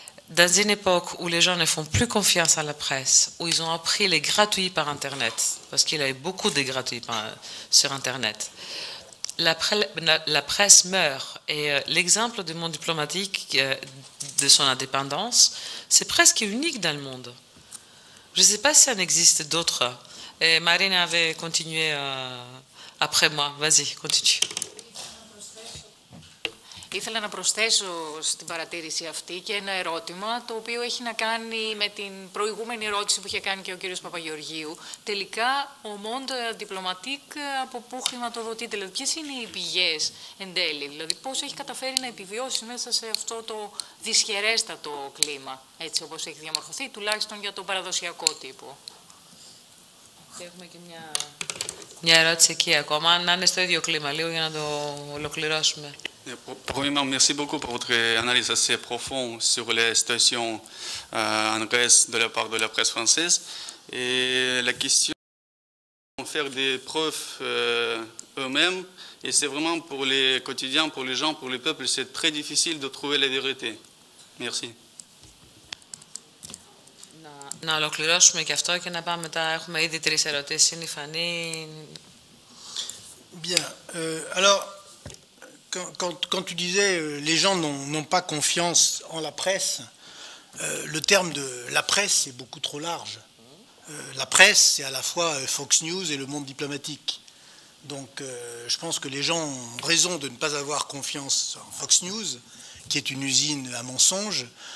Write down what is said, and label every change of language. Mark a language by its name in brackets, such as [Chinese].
[French] Dans une époque où les gens ne font plus confiance à la presse, où ils ont appris les gratuits par Internet, parce qu'il y avait beaucoup de gratuits sur Internet, la presse meurt. Et l'exemple du monde diplomatique, de son indépendance, c'est presque unique dans le monde. Je ne sais pas si en existe d'autres. Et Marina avait continué après moi. Vas-y, continue. [Greek] Ήθελα να προσθέσω στην παρατήρηση αυτή και ένα ερώτημα, το οποίο έχει να κάνει με την προηγούμενη ερώτηση που είχε κάνει και ο κύριος Παπαγεωργίου. Τελικά, ο Monde Diplomatique από πού χρηματοδοτείται, δηλαδή ποιες είναι οι πηγές εν τέλει, δηλαδή πώς έχει καταφέρει να επιβιώσει μέσα σε αυτό το δυσχερέστατο κλίμα, έτσι όπως έχει διαμορφωθεί, τουλάχιστον για τον παραδοσιακό τύπο. Και έχουμε και μια ερώτηση εκεί ακόμα, να είναι στο ίδιο κλίμα λίγο για να το ολοκληρώσουμε. [French] Premièrement, merci beaucoup pour votre analyse assez profonde sur les situations en Grèce de la part de la presse française. Et la question de faire des preuves eux-mêmes, et c'est vraiment pour les quotidiens, pour les gens, pour les peuples, c'est très difficile de trouver la vérité. Merci. [Greek] Να ολοκληρώσουμε και αυτό και να πάμε μετά. Έχουμε ήδη τρεις ερωτήσεις. Είναι η Φανή. [French] Bien. Alors, quand tu disais les gens n'ont pas confiance en la presse, le terme de la presse est beaucoup trop large. La presse, c'est à la fois Fox News et le monde diplomatique. Donc je pense que les gens ont raison de ne pas avoir confiance en Fox News, qui est une usine à mensonges.